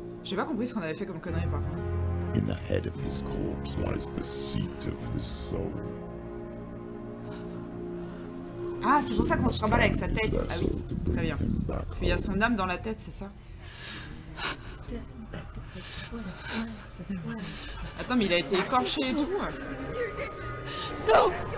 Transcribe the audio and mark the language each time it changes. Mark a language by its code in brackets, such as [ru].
[fr] J'ai pas compris ce qu'on avait fait comme connerie par contre. [en] In the head of his corpse lies the seat of his soul. [fr] Ah, c'est pour ça qu'on se remballe avec sa tête. Ah oui, très bien. Parce qu'il y a son âme dans la tête, c'est ça? Attends, mais il a été écorché et tout. Non.